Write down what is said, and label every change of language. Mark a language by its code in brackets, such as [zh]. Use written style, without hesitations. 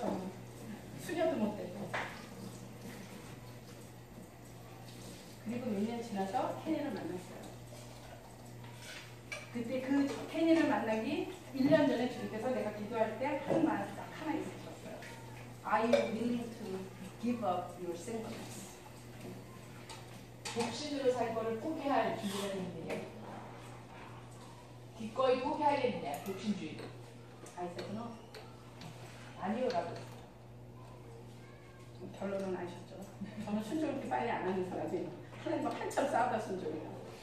[ko] 저는 수녀도 못 되고. 그리고 몇 년 지나서 케니를 만났어요. 그때 그 케니를 만나기 1년 전에 주님께서 내가 기도할 때 한 말 딱 하나 있으셨어요. [en] I am willing to give up your singleness. [ko] 복신으로 살 거를 포기할 준비가 됐는데요. 기꺼이 포기하겠느냐, 복신주의. [en] I said no. [ko] 아니요, 라고. 결론은 아셨죠. 저는 순종을 이렇게 빨리 안 하는 사람이. 하나님과 한참 싸우다 순종이요.